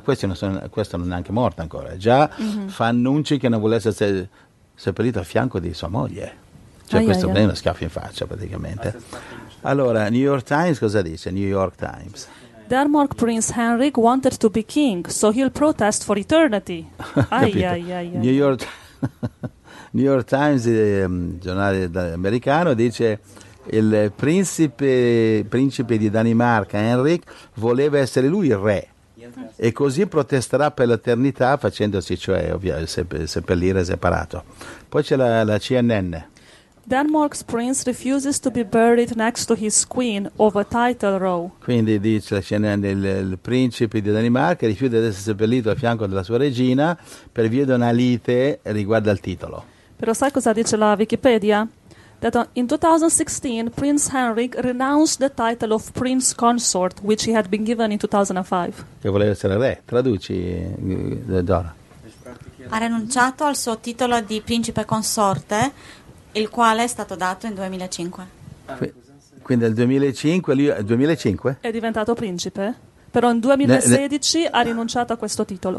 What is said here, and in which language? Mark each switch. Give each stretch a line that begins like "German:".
Italian: Questa non è neanche morta ancora, già fa annunci che non vuole essere seppellito a fianco di sua moglie, cioè è uno schiaffo in faccia praticamente. Allora New York Times cosa dice? New York Times:
English: Denmark Prince Henrik wanted to be king, so he'll protest for eternity.
Italian: New York Times, giornale americano, dice: il principe di Danimarca, Henrik, voleva essere lui il re, e così protesterà per l'eternità, facendosi cioè seppellire separato. Poi c'è la CNN.
English: Denmark's prince refuses to be buried next to his queen over title row.
Italian: Quindi dice la CNN, il principe di Danimarca rifiuta di essere seppellito a fianco della sua regina per via di una lite riguardo al titolo. Però sai cosa dice la Wikipedia?
English: That in 2016 Prince Henrik renounced the title of prince consort which he had been given in 2005.
Italian: Che voleva essere re. Traduci, Dora. Ha rinunciato al suo titolo di principe consorte, il quale è stato dato in 2005. Quindi nel 2005 lui, 2005? È diventato principe, però in 2016 ha rinunciato a questo titolo.